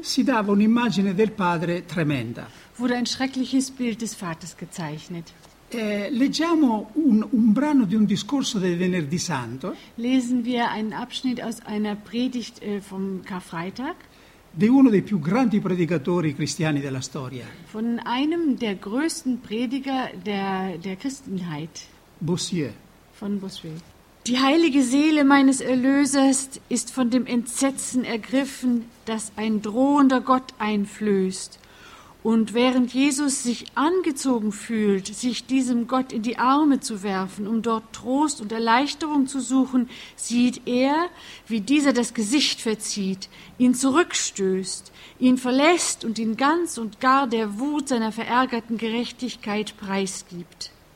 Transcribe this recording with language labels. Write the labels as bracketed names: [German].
[Italian] Si dava un'immagine del Padre tremenda. [German] Wurde ein schreckliches Bild des Vaters gezeichnet. [Italian] Leggiamo un brano di un discorso del Venerdì Santo. [German] Lesen wir einen Abschnitt aus einer Predigt vom Karfreitag. [Italian] Di uno dei più grandi predicatori cristiani della storia. [German] Von einem der größten Prediger der Christenheit. [Italian] Bossuet. [German] Von Bossuet. Die heilige Seele meines Erlösers ist von dem Entsetzen ergriffen, das ein drohender Gott einflößt. Und während Jesus sich angezogen fühlt, sich diesem Gott in die Arme zu werfen, um dort Trost und Erleichterung zu suchen, sieht er, wie dieser das Gesicht verzieht, ihn zurückstößt, ihn verlässt und ihn ganz und gar der Wut seiner verärgerten Gerechtigkeit preisgibt.